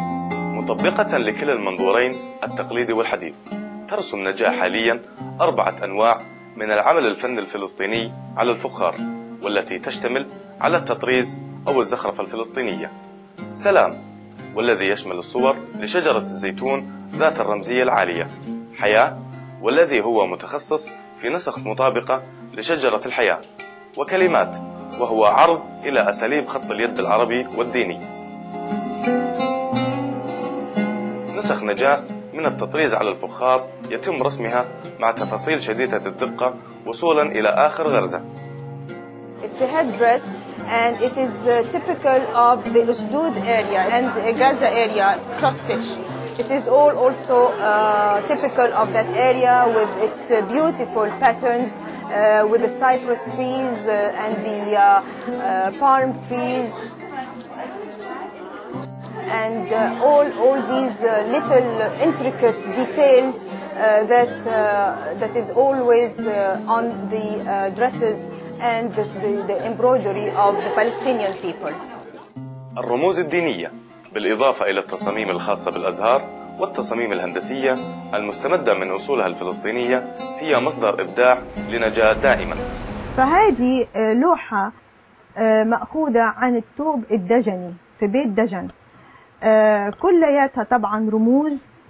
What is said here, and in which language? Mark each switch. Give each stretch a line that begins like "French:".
Arabic: مطبقة لكل المنظورين التقليدي والحديث، ترسم نجاة حاليا أربعة أنواع من العمل الفن الفلسطيني على الفخار، والتي تشتمل على التطريز أو الزخرفة الفلسطينية، سلام والذي يشمل الصور لشجرة الزيتون ذات الرمزية العالية، حياة والذي هو متخصص في نسخ مطابقة لشجرة الحياة، وكلمات وهو عرض إلى أساليب خط اليد العربي والديني. نسخ نجاة من التطريز على الفخار يتم رسمها مع تفاصيل شديدة الدقة وصولا إلى آخر غرزة.
English: It's a headdress and it is typical of the Usdud area and Gaza area cross stitch. It is all also typical of that area with its beautiful patterns with the cypress trees and the palm trees. And all these little intricate details that is always on the dresses and the embroidery of the Palestinian people.
Arabic: الرموز الدينية بالإضافة إلى التصاميم الخاصة بالأزهار والتصاميم الهندسية المستمدة من أصولها الفلسطينية هي مصدر إبداع لنجاة دائما. فهذه لوحة مأخوذة عن الثوب الدجني في بيت دجن، كلياتها طبعا رموز.